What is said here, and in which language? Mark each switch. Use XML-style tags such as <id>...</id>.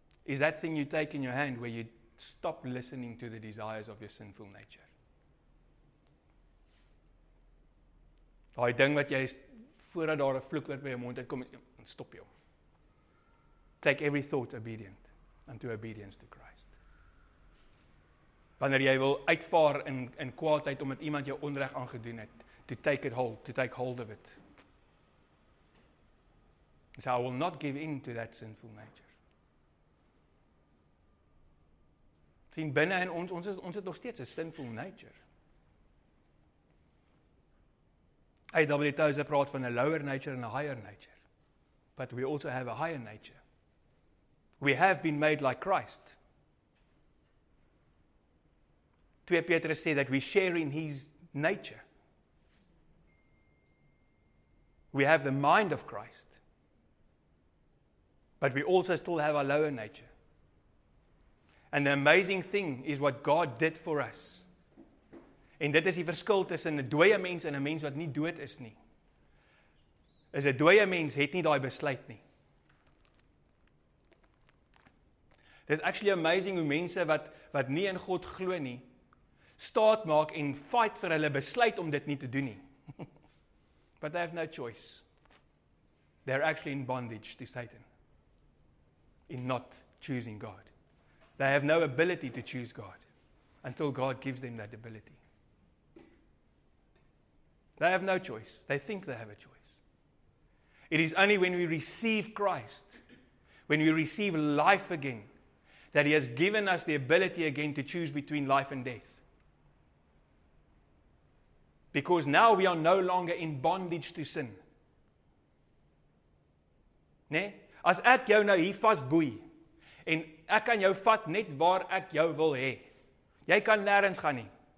<en>Is that thing you take in your hand where you stop listening to the desires of your sinful nature.</en> <af>Daai ding wat jy voordat daar 'n vloek oor by jou mond uitkom, stop jou.</af> <en>Take every thought obedient unto obedience to Christ.</en> <af>Wanneer jy wil uitvaar in kwaadheid omdat iemand jou onreg aangedoen het,</af> <en>to take hold of it. So I will not give in to that sinful nature.</en> <af>Sien, binne in ons het nog steeds 'n sinful nature.</af> <en>A.W. Tozer</en> <af>praat van 'n</af> <en>lower nature and a higher nature. But we also have a higher nature. We have been made like Christ.</en> <af>2 Petrus sê</af> <en>that we share in his nature. We have the mind of Christ. But we also still have our lower nature. And the amazing thing is what God did for us.</en> <af>En dit is die verskil tussen 'n dooie mens en 'n mens wat nie dood is nie. Is 'n dooie mens het nie daai besluit nie.</af> <en>It's actually amazing</en> <af>hoe mense wat nie in God glo nie, staat maak en fight vir hulle besluit om dit nie te doen nie.</af> <en>But they have no choice. They're actually in bondage to Satan. In not choosing God. They have no ability to choose God until God gives them that ability. They have no choice. They think they have a choice. It is only when we receive Christ, when we receive life again, that He has given us the ability again to choose between life and death. Because now we are no longer in bondage to sin.</en> <af>Nee? As ek jou nou hier vasboei, en ek kan jou vat net waar ek jou wil hê. Jy kan nêrens gaan nie.</af>